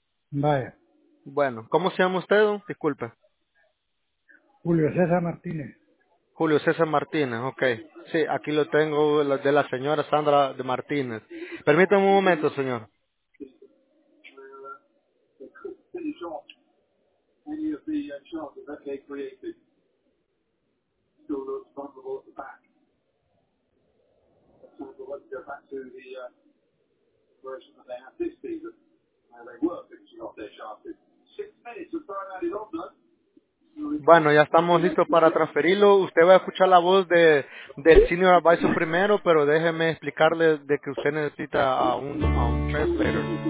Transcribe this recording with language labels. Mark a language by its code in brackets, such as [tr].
[es] Vaya. Bueno, ¿cómo se llama usted? Disculpe. Julio César Martínez. Julio César Martínez, ok. Sí, aquí lo tengo de la señora Sandra de Martínez. Permítame un momento, señor. [en] Any of the charges that they created still looks vulnerable at the back. So we'll have to go back to the version that they had this season, where they were finishing off their charges. 6 minutes of time added on, though. [es] Bueno, ya estamos listos para transferirlo. Usted va a escuchar la voz del [en] Senior Advisor [es] primero, pero déjeme explicarle de que usted necesita a un translator.